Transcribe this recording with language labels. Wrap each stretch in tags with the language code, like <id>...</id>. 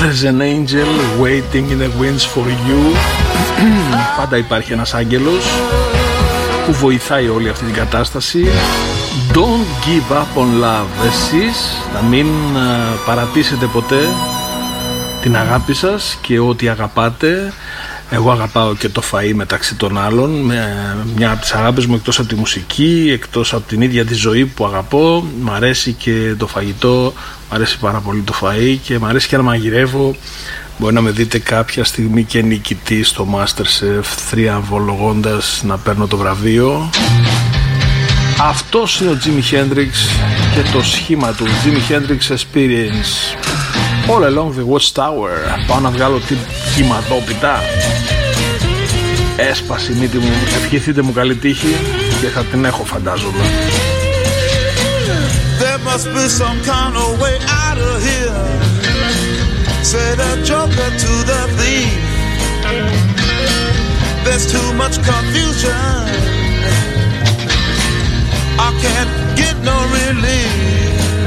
<en>an angel waiting in the wings for you.</en> <el>Πάντα υπάρχει ένας άγγελος που βοηθάει όλη αυτή την κατάσταση.</el> <en>Don't give up on love.</en> <el>Εσείς να μην παρατήσετε ποτέ την αγάπη σας και ό,τι αγαπάτε. Εγώ αγαπάω και το φαΐ μεταξύ των άλλων. Μια από τις αγάπες μου, εκτός από τη μουσική, εκτός από την ίδια τη ζωή που αγαπώ, μου αρέσει και το φαγητό. Μ' αρέσει πάρα πολύ το φαΐ και μ' αρέσει και να μαγειρεύω. Μπορεί να με δείτε κάποια στιγμή και νικητή στο MasterChef, θριαμβολογώντας να παίρνω το βραβείο. Αυτός είναι ο Jimi Hendrix και το σχήμα του Jimi Hendrix Experience. All along the Watchtower. Πάω να βγάλω την κυμαδόπιτα. Έσπασε η μύτη μου. Ευχηθείτε μου καλή τύχη και θα την έχω, φαντάζομαι.</el> <en>Must be some kind of way out of here, say the joker to the thief. There's too much confusion, I can't get no relief.</en>